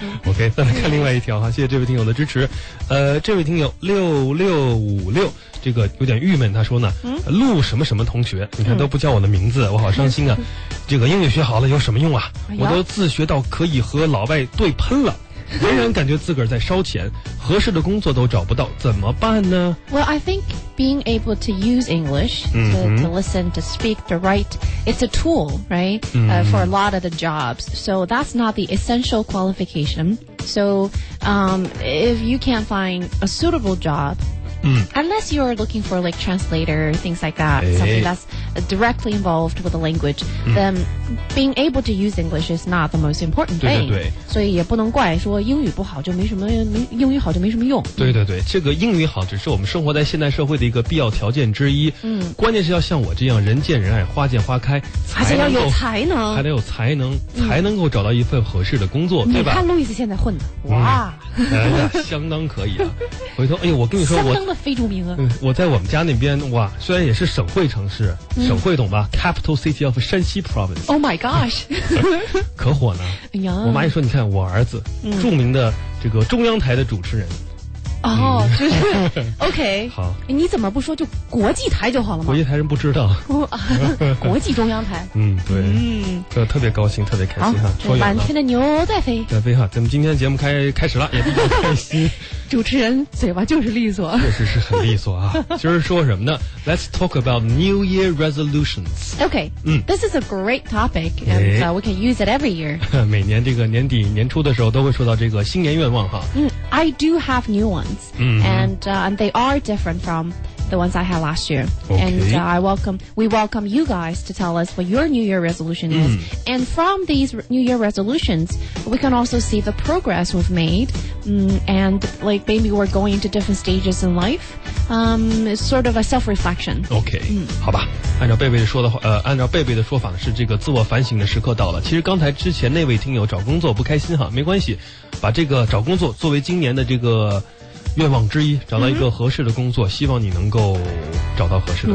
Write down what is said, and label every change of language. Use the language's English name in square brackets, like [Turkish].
[Chinese] 嗯、OK 再来看另外一条哈谢谢这位听友的支持这位听友6656这个有点郁闷他说呢陆、嗯、什么什么同学你看都不叫我的名字、嗯、我好伤心啊这个英语学好了有什么用啊、哎、我都自学到可以和老外对喷了仍然感觉自个儿在烧钱合适的工作都找不到怎么办呢 [English] Well, I think being able to use English to listen, to speak, to write it's a tool, right?、For a lot of the jobs so that's not the essential qualification so、if you can't find a suitable job、unless you're looking for like translator things like that、something that's directly involved with the language、then being able to use English is not the most important thing [Chinese] 对对对所以也不能怪说英语不好就没什么没英语好就没什么用对对对这个英语好只是我们生活在现代社会的一个必要条件之一嗯，关键是要像我这样人见人爱花见花开而且要有才能还得有才能、才能够找到一份合适的工作、对吧你看路易斯现在混的哇、相当可以啊回头哎呦我跟你说相当的非著名啊、我在我们家那边哇虽然也是省会城市、省会懂吧 [English] Capital City of 山西 Province Oh my gosh [Chinese] 可火呢、哎、呀我妈一说你看我儿子、著名的这个中央台的主持人哦、就是 OK 好你怎么不说就国际台就好了吗国际台人不知道国际中央台嗯对嗯特别高兴特别开心哈这满天的牛在飞在飞哈咱们今天的节目开始了也比较开心主持人嘴巴就是利索确实是很利索啊今儿说什么呢 [English] Let's talk about New Year resolutions OK、This is a great topic And、we can use it every year [Chinese] 每年这个年底年初的时候都会说到这个新年愿望哈、 [English] I do have new ones、And they are different from the ones I had last year、 okay. And、we welcome you guys to tell us what your New Year resolution is、And from these New Year resolutions We can also see the progress we've madeand like maybe we're going into different stages in life it's sort of a self-reflection [Chinese] okay、好吧按照贝贝的说法是这个自我反省的时刻到了其实刚才之前那位听友找工作不开心哈没关系把这个找工作作为今年的这个愿望之一找到一个合适的工作、希望你能够找到合适的工作